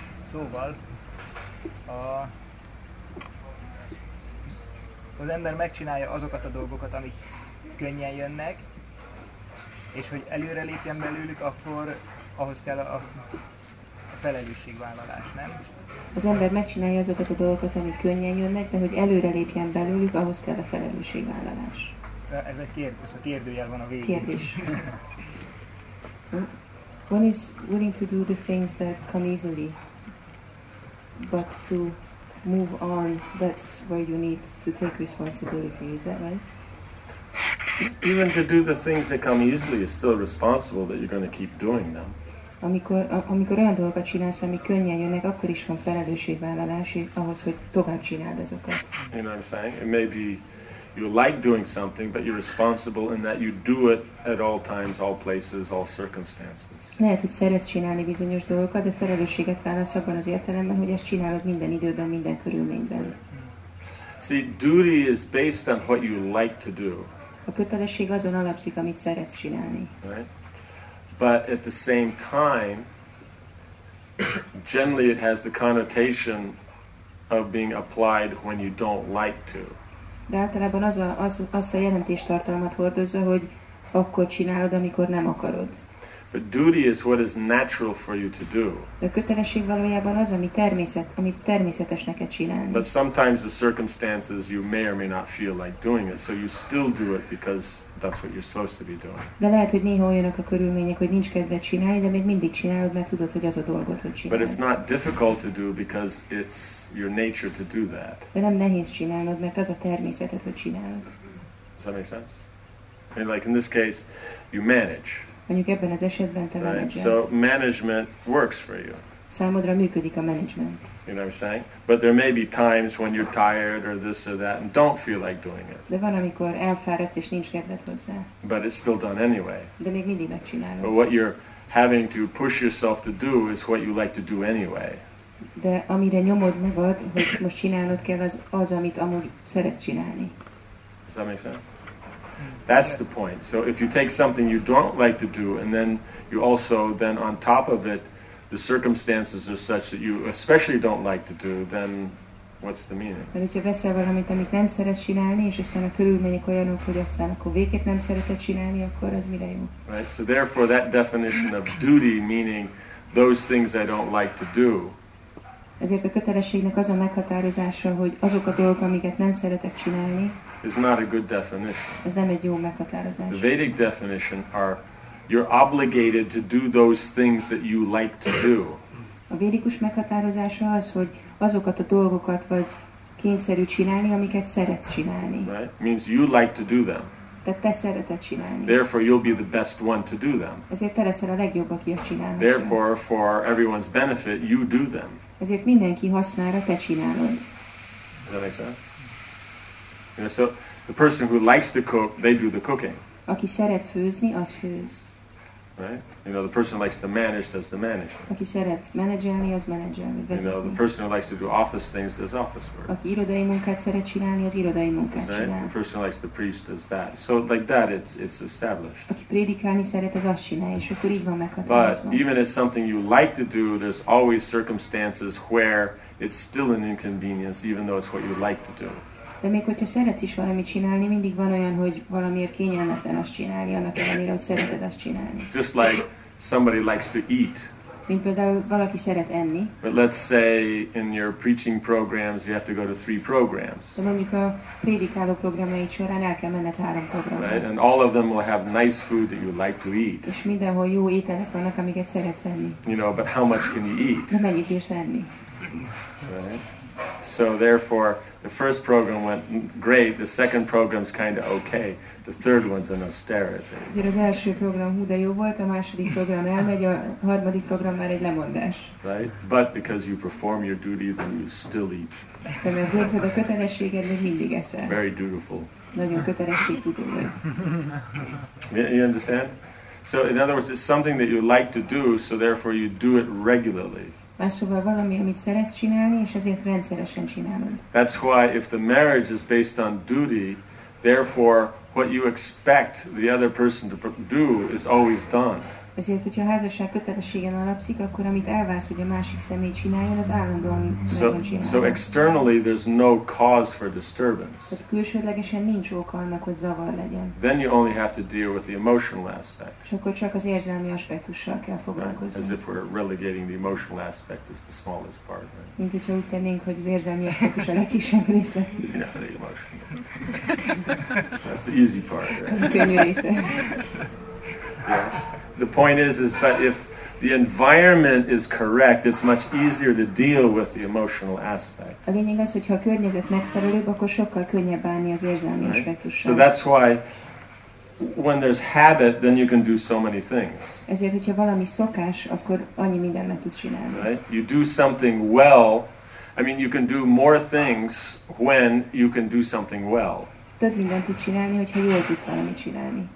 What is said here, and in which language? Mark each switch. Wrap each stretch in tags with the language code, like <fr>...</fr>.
<hu>Szóval, az ember megcsinálja azokat a dolgokat, amik könnyen jönnek, és hogy előre lépjen belőlük, akkor ahhoz kell a felelősségvállalás, nem? Az ember megcsinálja azokat a dolgokat, amik könnyen jönnek, de hogy előre lépjen belőlük, ahhoz kell a felelősségvállalás. Ez egy kérdés, a kérdőjel van a végén. Kérdés.</hu> <en>One is willing to do the things that come easily, but to move on, that's where you need to take responsibility, is that right? Even to do the things that come easily is still responsible that you're going to keep doing them.</en> <hu>Amikor olyan dolgokat csinálsz, ami könnyen jönnek, akkor is van felelősségvállalás ahhoz, hogy tovább csináld azokat.</hu> <en>You know what I'm saying? It may be you like doing something, but you're responsible in that you do it at all times, all places, all circumstances.</en> <hu>Lehet, hogy szeretsz csinálni bizonyos dolgokat, de felelősséget válasz abban az értelemben, hogy ezt csinálod minden időben, minden körülményben.</hu> <en>See, duty is based on what you like to do.</en> <hu>A kötelesség azon alapszik, amit szeretsz csinálni.</hu> <en>But at the same time, generally it has the connotation of being applied when you don't like to.</en> <hu>De általában azt a jelentéstartalmat hordozza, hogy akkor csinálod, amikor nem akarod.</hu> <en>But duty is what is natural for you to do.</en> <hu>De a kötelesség valójában az, amit természetes neked csinálni.</hu> <en>But sometimes the circumstances you may or may not feel like doing it, so you still do it because that's what you're supposed to be doing.</en> <hu>De lehet, hogy néha olyanok a körülmények, hogy nincs kedved csinálni, de még mindig csinálod, mert tudod, hogy az a dolgot, hogy csinálod.</hu> <en>But it's not difficult to do because it's your nature to do that.</en> <hu>De nem nehéz csinálnod, mert az a természeted, hogy csinálod.</hu> <en>Does that make sense? And like in this case, you manage.</en> <hu>Mondjuk ebben az esetben te menedzselsz.</hu> <en>Right? So management works for you.</en> <hu>Számodra működik a management.</hu> <en>You know what I'm saying? But there may be times when you're tired or this or that and don't feel like doing it.</en> <hu>De van, amikor elfáradsz és nincs kedved hozzá.</hu> <en>But it's still done anyway.</en> <hu>De még mindig megcsinálod.</hu> <en>But what you're having to push yourself to do is what you like to do anyway.</en> <hu>De amire nyomod magad, hogy most csinálnod kell, az az, amit amúgy szeretsz csinálni.</hu> <en>Does that make sense? That's the point. So if you take something you don't like to do, and then you also, then on top of it, the circumstances are such that you especially don't like to do, then what's the meaning?</en> <hu>Mert hogyha veszel valamit, amit nem szeretsz csinálni, és aztán a körülmények olyanok, hogy aztán akkor végképp nem szereted csinálni, akkor az mire jó?</hu> <en>Right, so therefore that definition of duty, meaning those things I don't like to do.</en> <hu>Ezért a kötelességnek az a meghatározása, hogy azok a dolgok, amiket nem szeretek csinálni,</hu> <en>is not a good definition.</en> <hu>Ez nem egy jó meghatározás.</hu> <en>The Vedic definition are you're obligated to do those things that you like to do.</en> <hu>A védikus meghatározása az, hogy azokat a dolgokat vagy kényszerű csinálni, amiket szeretsz csinálni.</hu> <en>Right? Means you like to do them.</en> <hu>Tehát te szereted csinálni.</hu> <en>Therefore you'll be the best one to do them.</en> <hu>Ezért te leszel a legjobb, aki azt csinálhatja.</hu> <en>Therefore for everyone's benefit you do them.</en> <hu>Ezért mindenki hasznára te csinálod.</hu> <en>Does that make sense? You know, so the person who likes to cook, they do the cooking.</en> <hu>Aki szeret főzni, az főz.</hu> <en>Right? You know, the person who likes to manage, does the managing.</en> <hu>Aki szeret menedzselni, az menedzselni.</hu> <en>You know, the person who likes to do office things, does office work.</en> <hu>Aki irodai munkát szeret csinálni, az irodai munkát</hu> <en>right?</en> <hu>csinál.</hu> <en>The person who likes to preach, does that. So like that, it's established.</en> <hu>Aki prédikálni szeret, az azt csinálja, és akkor így van meghatározva.</hu> <en>But even if something you like to do, there's always circumstances where it's still an inconvenience, even though it's what you like to do.</en> <hu>De még hogyha szeretsz is valamit csinálni, mindig van olyan, hogy valamiért kényelmetlen azt csinálni, annak ellenére, hogy szereted azt csinálni.</hu> <en>Just like somebody likes to eat.</en> <hu>Mint például valaki szeret enni.</hu> <en>But let's say in your preaching programs you have to go to 3 programs.</en> <hu>De mondjuk a prédikáló programjaid során el kell menned 3 programra.</hu> <en>Right? And all of them will have nice food that you like to eat.</en> <hu>És mindenhol jó ételek vannak, amiket szeretsz enni.</hu> <en>You know, but how much can you eat?</en> <hu>De mennyit bírsz enni?</hu> <en>Right? So therefore, the first program went great, the second program's kind of okay, the third one's an austerity.</en> <hu>Ezért az első program hú, de jó volt, a második program elmegy, a harmadik program már egy lemondás.</hu> <en>Right? But because you perform your duty, then you still eat.</en> <hu>De mert hozzad a kötelességed, még mindig eszel.</hu> <en>Very dutiful.</en> <hu>Nagyon kötelességtudó vagy.</hu> <en>You understand? So in other words, it's something that you like to do, so therefore you do it regularly.</en> <hu>Más szóval valami, amit szeretsz csinálni, és ezért rendszeresen csinálod.</hu> <en>That's why if the marriage is based on duty, therefore what you expect the other person to do is always done.</en> <hu>Ezért, hogyha a házasság kötelességen alapszik, akkor amit elvársz, hogy a másik személy csináljon, az állandóan megcsinálja.</hu> <en>So externally there's no cause for disturbance.</en> <hu>Tehát külsődlegesen nincs oka annak, hogy zavar legyen.</hu> <en>Then you only have to deal with the emotional aspect.</en> <hu>És akkor csak az érzelmi aspektussal kell foglalkozni.</hu> <en>Right. As if we're relegating the emotional aspect as the smallest part. Right?</en> <hu>Mint hogyha úgy tennénk, hogy az érzelmi aspektus a legkisebb része.</hu> <en>That's the easy part, right?</en> <hu>Az a könnyű része.</hu> <en>Yeah. The point is that if the environment is correct, it's much easier to deal with the emotional aspect.</en> <hu>A lényeg az, hogyha a környezet megfelelőbb, akkor sokkal könnyebb bánni az érzelmi aspektussal.</hu> <en>So that's why when there's habit, then you can do so many things.</en> <hu>Ezért, hogyha valami szokás, akkor annyi mindent meg tudsz csinálni.</hu> <en>Right? You do something well. I mean, you can do more things when you can do something well.</en> <hu>Több mindent tud csinálni, hogyha jól tudsz valamit csinálni.</hu>